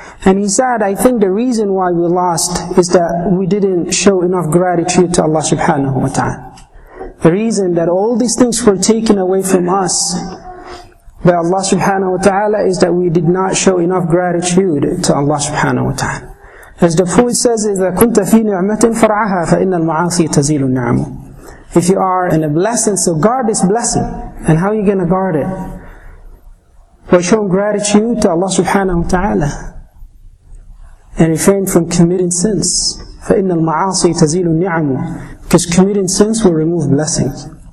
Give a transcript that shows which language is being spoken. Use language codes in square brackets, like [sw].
[en] And he said, I think the reason why we lost is that we didn't show enough gratitude to Allah subhanahu wa ta'ala. The reason that all these things were taken away from us by Allah subhanahu wa ta'ala is that we did not show enough gratitude to Allah subhanahu wa ta'ala. As the poet says, [ar] إِذَا كُنْتَ فِي نِعْمَةٍ فَرْعَهَا فَإِنَّ الْمَعَاصِي تَزِيلُ النَّعْمُ. [en] If you are in a blessing, so guard this blessing. And how are you going to guard it? By showing gratitude to Allah subhanahu wa ta'ala. And refrain from committing sins. [ar] فَإِنَّ الْمَعَاصِي تَزِيلُ النَّعْمُ. [en] Because committing sins will remove blessings.